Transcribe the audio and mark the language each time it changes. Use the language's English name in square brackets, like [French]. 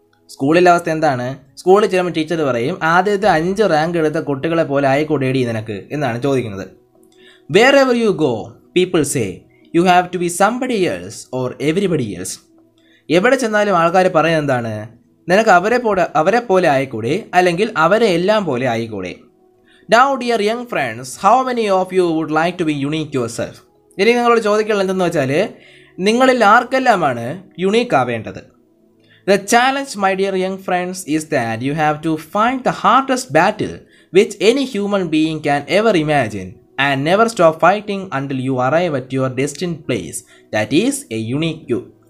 [Malayalam] സ്കൂളിലെ അവസ്ഥ എന്താണ്, സ്കൂളിൽ ചെല്ലുമ്പോൾ ടീച്ചർ പറയും, ആദ്യത്തെ 5 rank എടുത്ത കുട്ടികളെ പോലെ ആയിക്കോട്ടെ എടി നിനക്ക് എന്നാണ് ചോദിക്കുന്നത്. [English] Where ever you go, people say you have to be somebody else or everybody else. [Malayalam] എവിടെ ചെന്നാലും ആൾക്കാർ പറയുന്നത് എന്താണ്, നിനക്ക് അവരെ പോലെ ആയിക്കൂടെ, അല്ലെങ്കിൽ അവരെ എല്ലാം പോലെ ആയിക്കൂടെ. [English] Now, dear young friends, how many of you would like to be unique yourself? [Malayalam] ഇനി നിങ്ങളോട് ചോദിക്കാനുള്ളത് എന്താണെന്ന് വെച്ചാൽ, നിങ്ങളിൽ ആർക്കെല്ലാമാണ് unique ആവേണ്ടത്? [English] The challenge, my dear young friends, is that you have to find the hardest battle which any human being can ever imagine and never stop fighting until you arrive at your destined place that is a unique you.